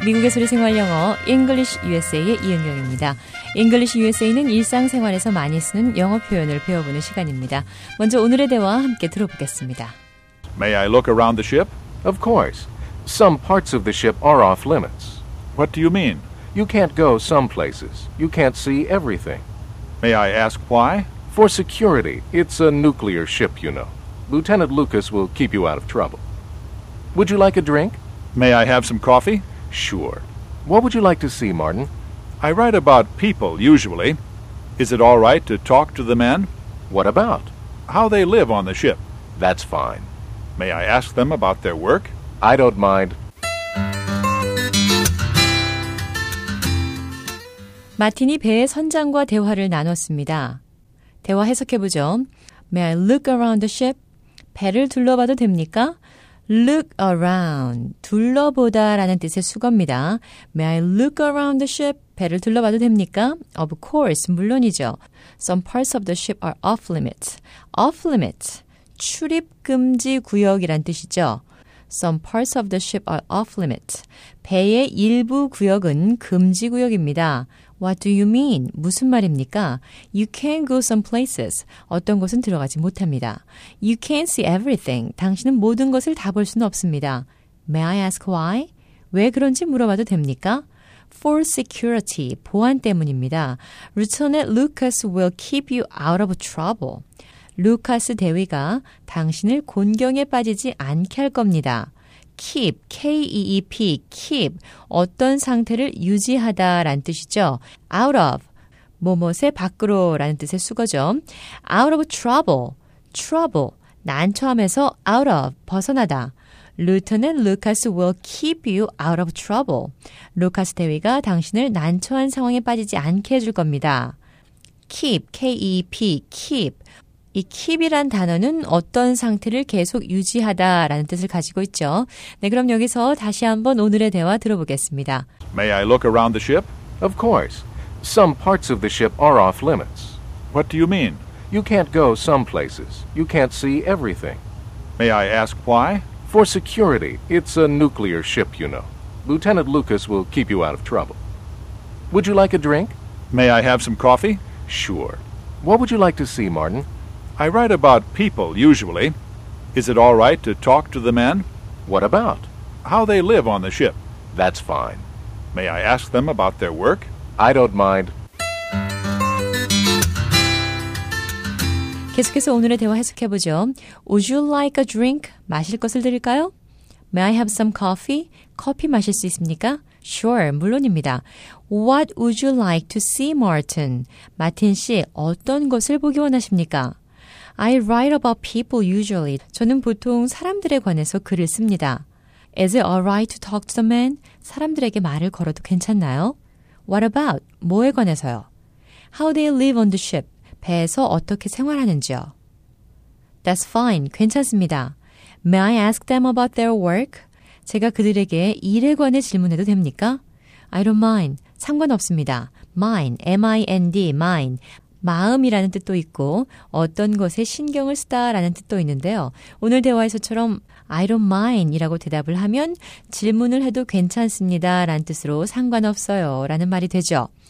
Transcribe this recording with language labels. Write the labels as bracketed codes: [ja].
[ko] 미국의 소리 생활 영어 English USA의 이은경입니다. English USA는 일상생활에서 많이 쓰는 영어 표현을 배워보는 시간입니다. 먼저 오늘의 대화 함께 들어보겠습니다. [en] May I look around the ship? Of course. Some parts of the ship are off limits. What do you mean? You can't go some places. You can't see everything. May I ask why? For security. It's a nuclear ship, you know. Lieutenant Lucas will keep you out of trouble. Would you like a drink? May I have some coffee? Sure. What would you like to see, Martin? I write about people, usually. Is it all right to talk to the men? What about? How they live on the ship. That's fine. May I ask them about their work? I don't mind. [ko] 마틴이 배의 선장과 대화를 나눴습니다. 대화 해석해보죠. [en] May I look around the ship? [ko] 배를 둘러봐도 됩니까? Look around, 둘러보다라는 뜻의 수거입니다. [en] May I look around the ship? [ko] 배를 둘러봐도 됩니까? [en] Of course, [ko] 물론이죠. [en] Some parts of the ship are off limits. [ko] Off limits, 출입금지 구역이란 뜻이죠. [en] Some parts of the ship are off limits. [ko] 배의 일부 구역은 금지 구역입니다. [en] What do you mean? [ko] 무슨 말입니까? [en] You can't go some places. [ko] 어떤 곳은 들어가지 못합니다. [en] You can't see everything. [ko] 당신은 모든 것을 다 볼 수는 없습니다. [en] May I ask why? [ko] 왜 그런지 물어봐도 됩니까? [en] For security, [ko] 보안 때문입니다. [en] Lieutenant Lucas will keep you out of trouble. [ko] 루카스 대위가 당신을 곤경에 빠지지 않게 할 겁니다. Keep, K-E-E-P, keep, 어떤 상태를 유지하다 라는 뜻이죠. Out of, 뭐뭐의 밖으로 라는 뜻의 수거죠. [en] Out of trouble, trouble, [ko] 난처함에서 [en] out of, [ko] 벗어나다. [en] Lieutenant Lucas will keep you out of trouble. [ko] 루카스 대위가 당신을 난처한 상황에 빠지지 않게 해줄 겁니다. [en] Keep, K-E-E-P, keep. [ko] 이 keep이란 단어는 어떤 상태를 계속 유지하다 라는 뜻을 가지고 있죠. 네, 그럼 여기서 다시 한번 오늘의 대화 들어보겠습니다. [en] May I look around the ship? Of course. Some parts of the ship are off limits. What do you mean? You can't go some places. You can't see everything. May I ask why? For security. It's a nuclear ship, you know. Lieutenant Lucas will keep you out of trouble. Would you like a drink? May I have some coffee? Sure. What would you like to see, Martin? I write about people, usually. Is it all right to talk to the men? What about? How they live on the ship. That's fine. May I ask them about their work? I don't mind. [ko] 계속해서 오늘의 대화 해석해보죠. [en] Would you like a drink? [ko] 마실 것을 드릴까요? [en] May I have some coffee? [ko] 커피 마실 수 있습니까? Sure, 물론입니다. [en] What would you like to see, Martin? [ko] 마틴 씨, 어떤 것을 보기 원하십니까? [en] I write about people usually. [ko] 저는 보통 사람들에 관해서 글을 씁니다. [en] Is it alright to talk to the men? [ko] 사람들에게 말을 걸어도 괜찮나요? [en] What about? [ko] 뭐에 관해서요? [en] How they live on the ship? [ko] 배에서 어떻게 생활하는지요? [en] That's fine. [ko] 괜찮습니다. [en] May I ask them about their work? [ko] 제가 그들에게 일에 관해 질문해도 됩니까? [en] I don't mind. [ko] 상관없습니다. [en] Mind, M-I-N-D, mind. [ko] 마음이라는 뜻도 있고 어떤 것에 신경을 쓰다라는 뜻도 있는데요. 오늘 대화에서처럼 [en] I don't mind [ko] 이라고 대답을 하면 질문을 해도 괜찮습니다라는 뜻으로 상관없어요라는 말이 되죠.